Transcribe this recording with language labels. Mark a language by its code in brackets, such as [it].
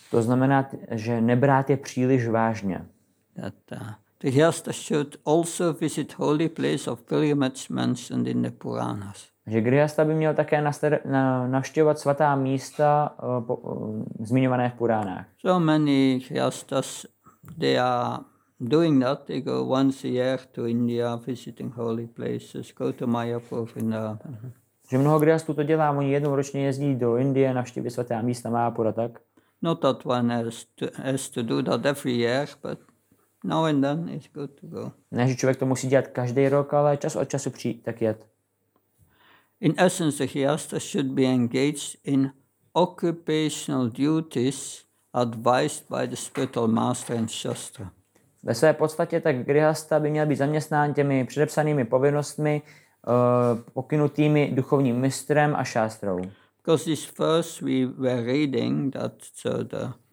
[cs] To znamená, že nebrát je příliš vážně. [en] The Grihastha should also visit holy place of pilgrimage mentioned in the Puranas. [cs] Že Grihastha by měl také navštěvovat svatá místa zmiňované v Puránách. [en] So many Grihasthas, they are doing that. They go once a year to India visiting holy places, go to Mayapur, Vrindavan. [cs] Že mnoho Grihasthů to dělá, oni jednou ročně jezdí do Indie navštívit svatá místa Mayapur a tak. [en] Not that one has to do that every year, but now and then it's good to go. [cs] Ne, že člověk to musí dělat každý rok, ale čas od času přijít, tak jet. [en] In essence, the Grihastha should be engaged in occupational duties advised by the spiritual master and shastra. [cs] Ve své podstatě tak Grihastha by měl být zaměstnán těmi předepsanými povinnostmi, pokynutými duchovním mistrem a šástrou. [en] Because this first we were reading that so the